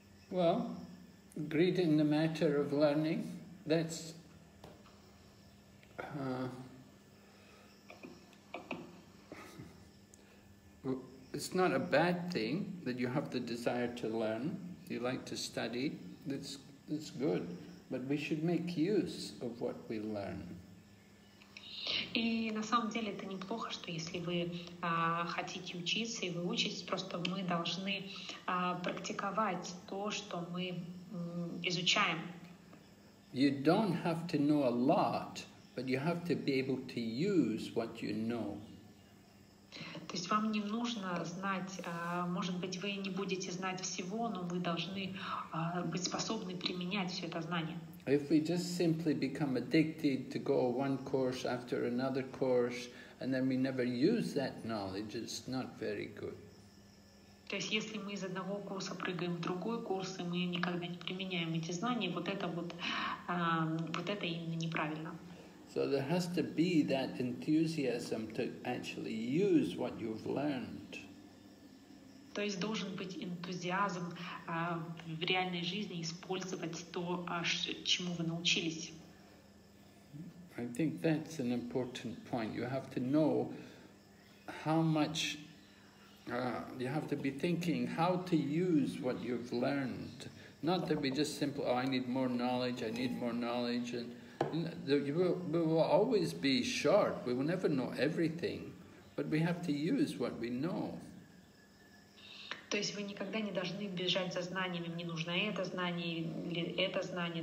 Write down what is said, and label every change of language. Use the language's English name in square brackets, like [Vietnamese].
[English] Well, greed in the matter of learning, that's it's not a bad thing that you have the desire to learn, you like to study, that's good, but we should make use of what we learn. [Russian] И на самом деле это неплохо, что если вы хотите учиться и вы учитесь, просто мы должны практиковать то, что мы изучаем. [English] You don't have to know a lot, but you have to be able to use what you know. [Russian] То есть вам не нужно знать, может быть, вы не будете знать всего, но вы должны быть способны применять все это знание. [English] If we just simply become addicted to go one course after another course, and then we never use that knowledge, it's not very good. [Russian] То есть, если мы из одного курса прыгаем в другой курс, и мы никогда не применяем эти знания, вот это вот, вот это именно неправильно. [English] So there has to be that enthusiasm to actually use what you've learned. [Russian] То есть должен быть энтузиазм в реальной жизни использовать то, чему вы научились. [English] I think that's an important point. You have to know how much. You have to be thinking how to use what you've learned. Not that we just simply, oh, I need more knowledge. We will always be short. We will never know everything. But we have to use what we know. [Russian] То есть вы никогда не должны бежать за знаниями, мне нужно это знание или это знание.